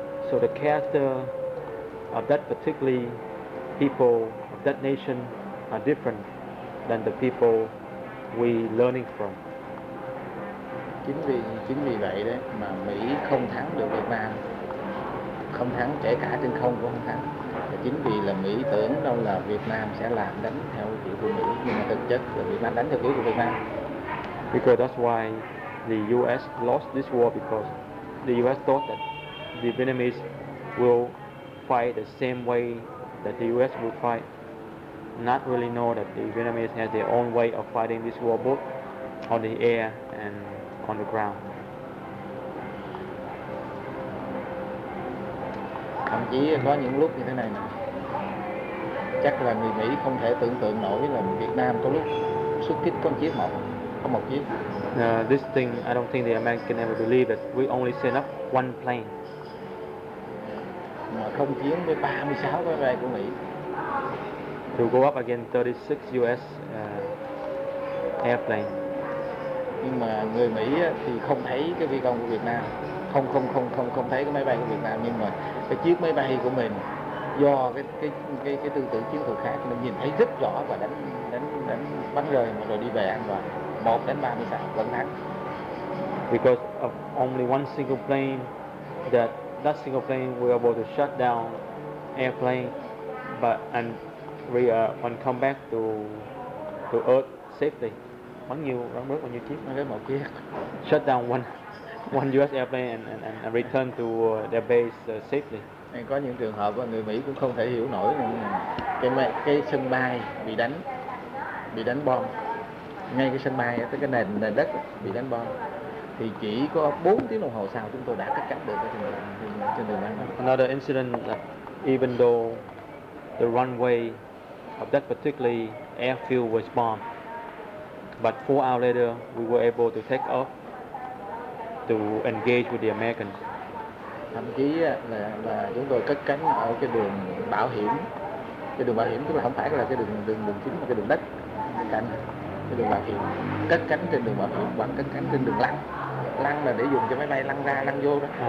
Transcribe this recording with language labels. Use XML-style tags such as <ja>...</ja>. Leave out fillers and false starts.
<en>So the character of that particular people of that nation are different than the people we learning from.</en> <vi>Chính vì vậy đấy mà Mỹ không thắng được Việt Nam, không thắng kể cả trên không cũng không thắng. Chính vì là Mỹ tưởng đâu là Việt Nam sẽ làm đánh theo kiểu của Mỹ, nhưng mà thực chất là Việt Nam đánh theo kiểu của Việt Nam.</vi> <en>Because that's why the U.S. lost this war, because the U.S. thought that the Vietnamese will fight the same way that the U.S. will fight. Not really know that the Vietnamese has their own way of fighting this war, both on the air and on the ground.</en> <vi>Thậm chí có những lúc như thế này nè, chắc là người Mỹ không thể tưởng tượng nổi là Việt Nam có lúc xuất kích có chiếc một, không một chiếc.</vi> <en>This thing, I don't think the American ever believe that we only send up one plane.</en> <vi>Mà không chiến với 36 cái bay của Mỹ.</vi> <en>To go up against 36 US airplane.</en> <vi>Nhưng mà người Mỹ thì không thấy cái phi công của Việt Nam, không thấy cái máy bay của Việt Nam, nhưng mà cái chiếc máy bay của mình do cái tư tưởng chiến thuật khác, mình nhìn thấy rất rõ và đánh bắn rơi mà rồi đi về an toàn, 1-36 vẫn thắng.</vi> <en>Because of only one single plane, that single plane we're able to shut down airplane, and we when come back to earth safely.</en> <vi>Bao nhiêu chiếc? Mấy một chiếc.</vi> <en>Shut down one US airplane and return to their base safely.</en> <vi>Nên có những trường hợp người Mỹ cũng không thể hiểu nổi cái sân bay bị đánh bom. Ngay cái sân bay tới cái nền đất bị đánh bom. Thì chỉ có 4 tiếng đồng hồ sau chúng tôi đã cắt cánh được trên đường băng.</vi> <en>Another incident that even though the runway of that particular airfield was bombed, but 4 hours later we were able to take off to engage with the Americans.</en> <vi>Thậm chí là chúng tôi cất cánh ở cái đường bảo hiểm, tức là không phải là cái đường chính mà cái đường đất cạnh cái đường bảo hiểm, cất cánh trên đường bảo hiểm, vẫn cất cánh trên đường lăn là để dùng cho máy bay lăn ra lăn vô đó.</vi>